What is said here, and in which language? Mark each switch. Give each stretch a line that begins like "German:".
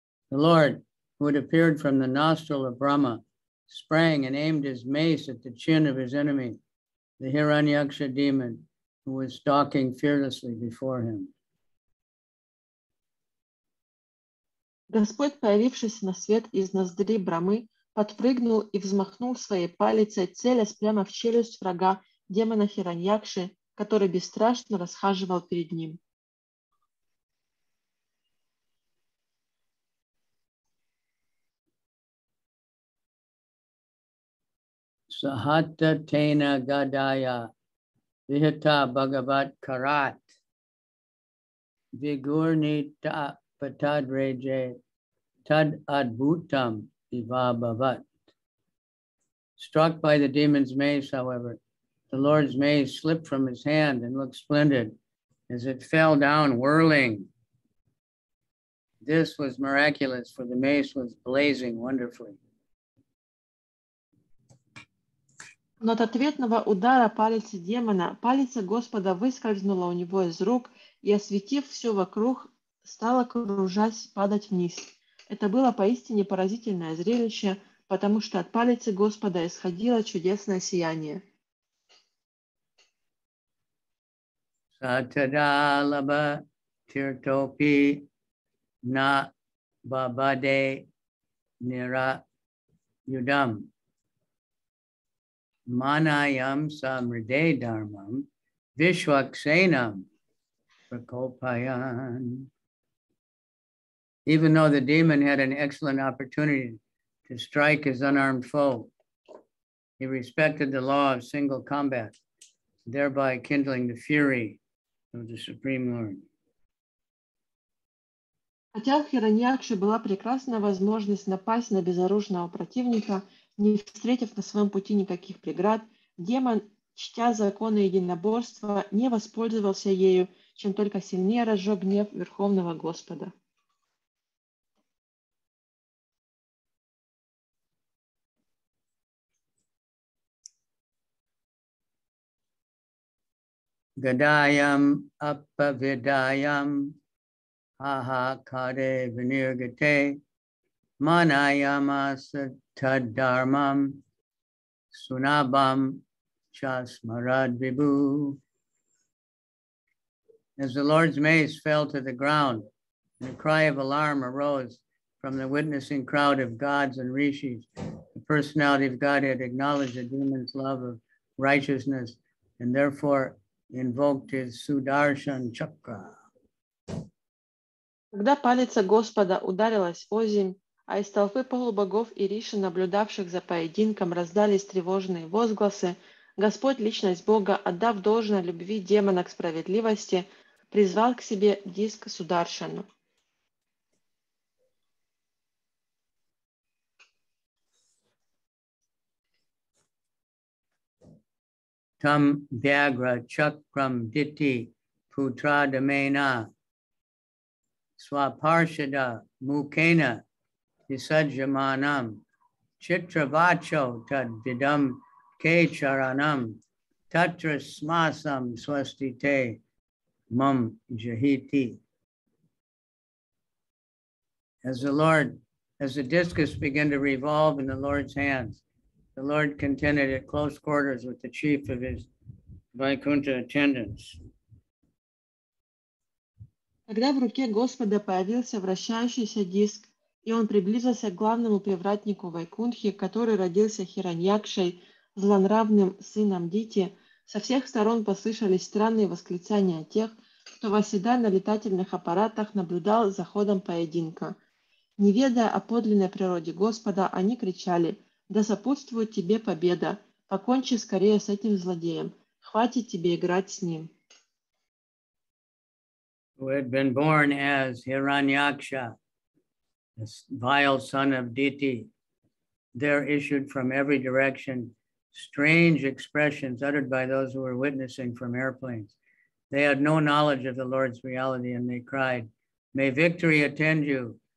English: The Lord, who had appeared from the nostril of Brahma, sprang and aimed his mace at the chin of his enemy, the Hiranyaksha demon, who was stalking fearlessly before him.
Russian: Господь, появившись на свет из ноздри Брамы, подпрыгнул и взмахнул своей палицей, целясь прямо в челюсть врага, демона Хираньякши, который бесстрашно расхаживал перед ним.
Sanskrit: Sahata tena gadaya Vihita Bhagavat Karat Vigurnita Patad Reje Tad Adbhutam Ivabhavat.
English: Struck by the demon's mace, however, the Lord's mace slipped from his hand and looked splendid as it fell down whirling. This was miraculous, for the mace was blazing wonderfully.
Russian: Но от ответного удара палицы демона, палица Господа выскользнула у него из рук и, осветив все вокруг, стала кружась падать вниз. Это было поистине поразительное зрелище, потому что от палицы Господа исходило чудесное сияние.
Sanskrit: Сатадалаба тиртопи на бабаде нира юдам. Manayam samrde dharmam vishwaksenam prakopayan.
English: Even though the demon had an excellent opportunity to strike his unarmed foe, he respected the law of single combat, thereby kindling the fury of the Supreme Lord.
Russian: Хотя у Хираньякши была прекрасная возможность напасть на безоружного противника, не встретив на своем пути никаких преград, демон, чтя законы единоборства, не воспользовался ею, чем только сильнее разжег гнев Верховного Господа.
Sanskrit: Гадаям аппавидаям ахакаре винергате манаямаса таддармам сунабам часмарад вибу.
English: As the Lord's mace fell to the ground, and a cry of alarm arose from the witnessing crowd of gods and rishis, the personality of Godhead acknowledged the demon's love of righteousness and therefore invoked his Sudarshan Chakra.
Russian: Когда палец Господа ударилась о землю, а из толпы полубогов и риши, наблюдавших за поединком, раздались тревожные возгласы, Господь, личность Бога, отдав должное любви демона к справедливости, призвал к себе диск Сударшану.
Sanskrit: Там Вягра Чакрам Дити Путрадамена Свапаршада Мукена Исаджаманам Читравачо Тадвидам Кечаранам Татрасмасам Свастите Мам Джахити.
English: As the discus began to revolve in the Lord's hands, the Lord contended at close quarters with the chief of his Vaikuntha attendants.
Russian: Когда в руке Господа появился вращающийся диск, и он приблизился к главному привратнику Вайкунтхи, который родился Хираньякшей, злонравным сыном Дити, со всех сторон послышались странные восклицания тех, кто, восседая на летательных аппаратах, наблюдал за ходом поединка. Не ведая о подлинной природе Господа, они кричали: «Да сопутствует тебе победа! Покончи скорее с этим злодеем! Хватит тебе играть с ним!»
English: Who had been born as Hiranyaksha, the vile son of Diti, there issued from every direction strange expressions uttered by those who were witnessing from airplanes. They had no knowledge of the Lord's reality, and they cried, "May victory attend you!